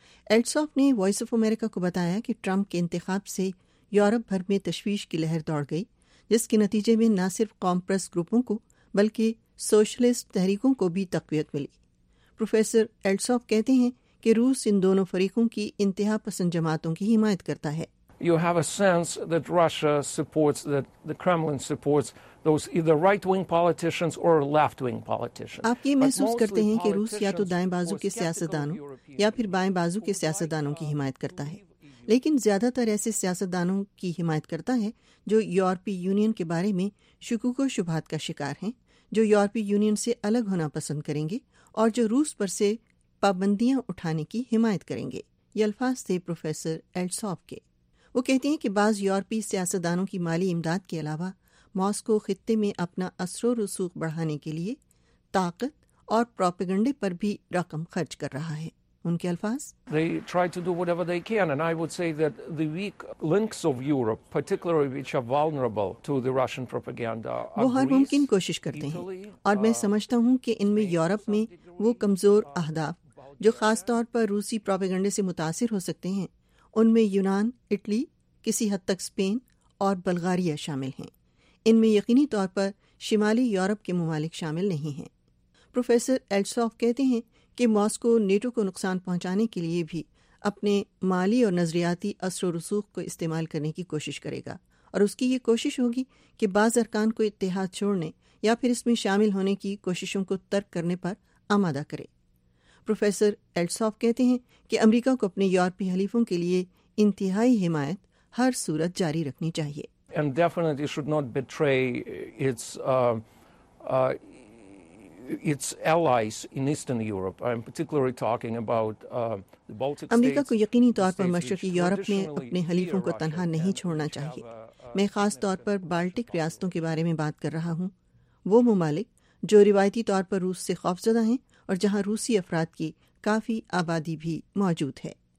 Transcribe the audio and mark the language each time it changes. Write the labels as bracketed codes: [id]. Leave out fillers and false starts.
[ur] ایلسوف نے voice of America کو بتایا کہ ٹرمپ کے انتخاب سے یورپ بھر میں تشویش کی لہر دوڑ گئی, جس کے نتیجے میں نہ صرف قوم پرست گروپوں کو بلکہ سوشلسٹ تحریکوں کو بھی تقویت ملی. پروفیسر ایلسوف کہتے ہیں کہ روس ان دونوں فریقوں کی انتہا پسند جماعتوں کی حمایت کرتا ہے. [en] You have a sense that Russia supports, that the Kremlin supports those either right-wing politicians or left-wing politicians. [ur] آپ یہ محسوس کرتے ہیں کہ روس یا تو دائیں بازو کے سیاستدانوں یا پھر بائیں بازو کے سیاستدانوں کی حمایت کرتا ہے, لیکن زیادہ تر ایسے سیاستدانوں کی حمایت کرتا ہے جو یورپی یونین کے بارے میں شکوک و شبہات کا شکار ہیں, جو یورپی یونین سے الگ ہونا پسند کریں گے اور جو روس پر سے پابندیاں اٹھانے کی حمایت کریں گے. یہ الفاظ تھے پروفیسر ایلسوف کے. وہ کہتی ہیں کہ بعض یورپی سیاستدانوں کی مالی امداد کے علاوہ ماسکو خطے میں اپنا اثر و رسوخ بڑھانے کے لیے طاقت اور پروپیگنڈے پر بھی رقم خرچ کر رہا ہے. ان کے الفاظ, [en] they try to do whatever they can and I would say that the weak links of Europe particularly which are vulnerable to the Russian propaganda are [ur] وہ ہر ممکن کوشش کرتے ہیں اور میں سمجھتا ہوں کہ ان میں یورپ میں وہ کمزور اہداف جو خاص طور پر روسی پروپیگنڈے سے متاثر ہو سکتے ہیں ان میں یونان, اٹلی, کسی حد تک اسپین اور بلغاریہ شامل ہیں. ان میں یقینی طور پر شمالی یورپ کے ممالک شامل نہیں ہیں. پروفیسر ایلسوف کہتے ہیں کہ ماسکو نیٹو کو نقصان پہنچانے کے لیے بھی اپنے مالی اور نظریاتی اثر و رسوخ کو استعمال کرنے کی کوشش کرے گا اور اس کی یہ کوشش ہوگی کہ بعض ارکان کو اتحاد چھوڑنے یا پھر اس میں شامل ہونے کی کوششوں کو ترک کرنے پر آمادہ کرے. پروفیسر ایلسوف کہتے ہیں کہ امریکہ کو اپنے یورپی حلیفوں کے لیے انتہائی حمایت ہر صورت جاری رکھنی چاہیے. [en] And definitely should not betray its, its allies in Eastern Europe. I'm particularly talking about the Baltic states. [ur] امریکہ کو یقینی طور پر مشرقی یورپ میں اپنے حلیفوں کو تنہا نہیں چھوڑنا چاہیے. میں خاص طور پر بالٹک ریاستوں کے بارے میں بات کر رہا ہوں, وہ ممالک جو روایتی طور پر روس سے خوف زدہ ہیں اور جہاں روسی افراد کی کافی آبادی بھی موجود ہے.